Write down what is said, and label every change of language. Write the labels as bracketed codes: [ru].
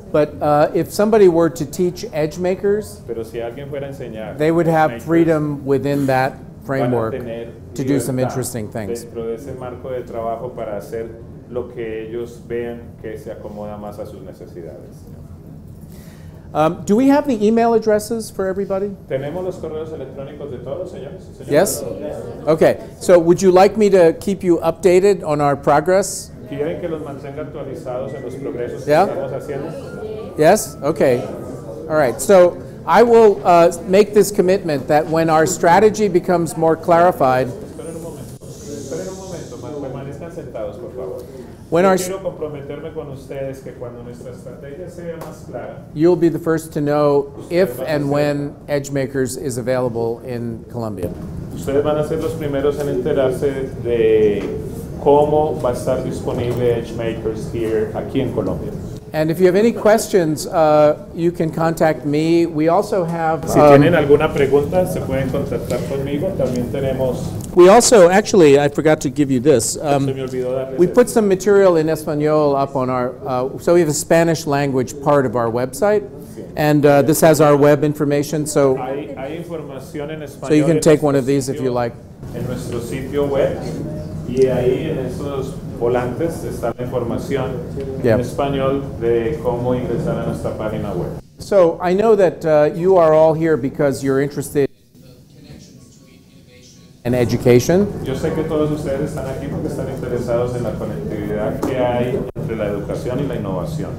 [en] But if somebody were to teach edge makers, [es] pero si alguien fuera a enseñar, [en] they would have freedom within that framework to do some interesting things. [es] Dentro de ese marco de trabajo para hacer lo que ellos vean que se acomoda más a sus necesidades. [en] Do we have the email addresses for everybody? [es] ¿Tenemos los correos electrónicos de todos, señores? [en] Yes? Okay. So would you like me to keep you updated on our progress? [es] ¿Quieren que los mantenga actualizados en los progresos que estamos haciendo? [en] Yes? Okay. All right. So I will make this commitment that when our strategy becomes more clarified, you'll be the first to know if and when EdgeMakers is available in Colombia. [es] Ustedes van a ser los primeros en enterarse de cómo va a estar disponible EdgeMakers here aquí en Colombia. [en] And if you have any questions, you can contact me. We also have. [es] Si tienen alguna pregunta, se pueden contactar conmigo. También tenemos. [en] We also, actually, I forgot to give you this. We put some material in Espanol up on our. So we have a Spanish language part of our website. And this has our web information. So, [es] hay información en español, [en] so you can take one of these if you like. [es] En nuestro sitio web. Y ahí en esos volantes está la información en español de cómo ingresar a nuestra página web. [en] So I know that you are all here because you're interested in the connection between innovation and education. [es] Yo sé que todos ustedes están aquí porque están interesados en la conectividad que hay entre la educación y la innovación.